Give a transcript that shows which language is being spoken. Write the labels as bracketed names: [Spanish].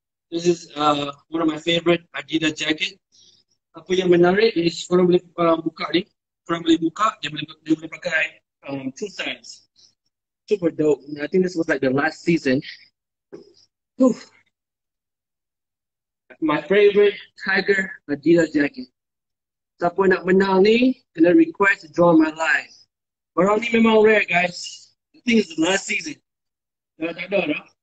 [English] This is one of my favorite Adidas jacket. [Malay] Apa yang menarik is korang boleh buka ni. Korang boleh buka, dia boleh pakai [English] two sides. Super dope. I think this was like the last season. Oof. My favorite tiger Adidas jacket. [Malay] Siapa nak menang ni, kena [English] request to draw my line. [Malay] Barang ni memang [English] rare, guys. I think it's the last season. [Malay] Dah tak ada dah.